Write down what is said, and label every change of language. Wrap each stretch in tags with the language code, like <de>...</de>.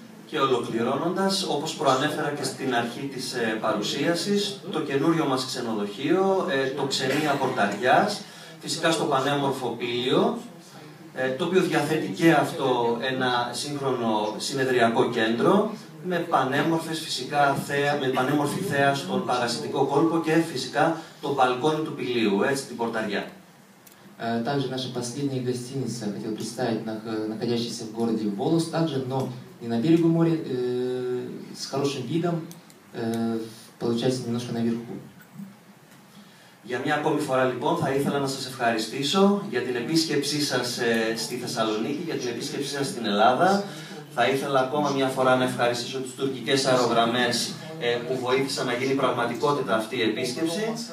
<el>Και ολοκληρώνοντας, όπως προανέφερα και στην αρχή της παρουσίασης, το καινούριο μας ξενοδοχείο, το Ξενία Πορταριάς, φυσικά στο πανέμορφο Πήλιο, το οποίο διαθέτει και αυτό ένα σύγχρονο συνεδριακό κέντρο, με πανέμορφες φυσικά θέα, με πανέμορφη θέα στον παρασιτικό κόλπο και φυσικά το μπαλκόνι του Πηλίου, έτσι την Πορταριά.</el> <ru>Также наша последняя гостиница, хотел представить, находящаяся в городе Волос, также, но не на берегу моря, с хорошим видом, получается, немножко наверху.</ru> <el>Για μια ακόμη φορά λοιπόν θα ήθελα να σας ευχαριστήσω για την επίσκεψή σας στη Θεσσαλονίκη, για την επίσκεψή σας στην Ελλάδα. Θα ήθελα ακόμα μια φορά να ευχαριστήσω τις τουρκικές αερογραμμές που βοήθησαν να γίνει πραγματικότητα αυτή η επίσκεψη.</el>